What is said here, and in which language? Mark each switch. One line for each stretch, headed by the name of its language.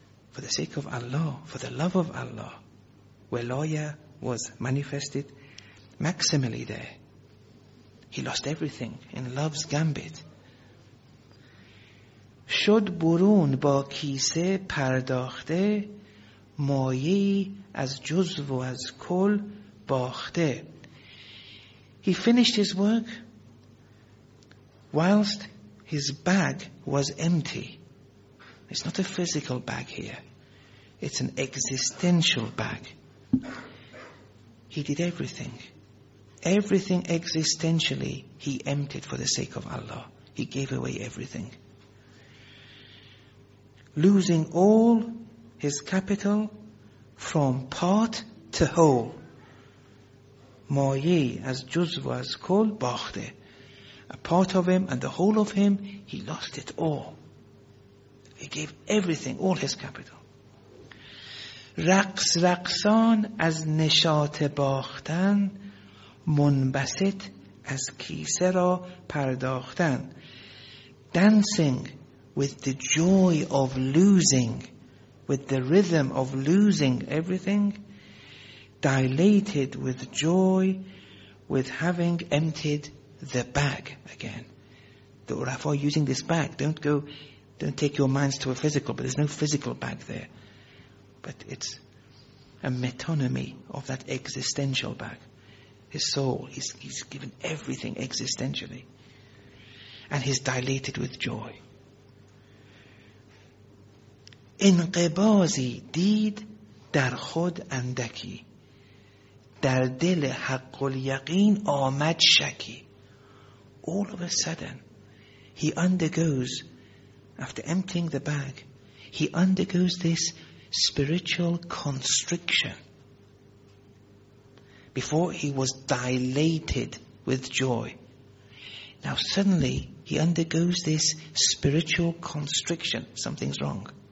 English: For the sake of Allah, for the love of Allah, where loyalty was manifested maximally there. He lost everything in love's gambit.
Persian: شد برون با کیسه پرداخته مایه از جزو و از کل باخته.
English: He finished his work whilst his bag was empty. It's not a physical bag here. It's an existential bag. He did everything. Everything existentially he emptied for the sake of Allah. He gave away everything. Losing all his capital from part to whole.
Persian: مایه از جز و از کل باخته.
English: A part of him and the whole of him, he lost it all. He gave everything, all his capital.
Persian: رقص رقصان از نشاط باختن منبسط از کیسه را پرداختن.
English: Dancing with the joy of losing, with the rhythm of losing everything, dilated with joy with having emptied the bag again. The Urafa using this bag, don't take your minds to a physical, but there's no physical bag there. But it's a metonymy of that existential bag. His soul, he's given everything existentially. And he's dilated with joy.
Persian: انقبازی دید در خود اندکی در دل حق الیقین آمد شکی.
English: All of a sudden he undergoes, after emptying the bag, he undergoes this spiritual constriction. Before he was dilated with joy, now suddenly he undergoes this spiritual constriction. Something's wrong.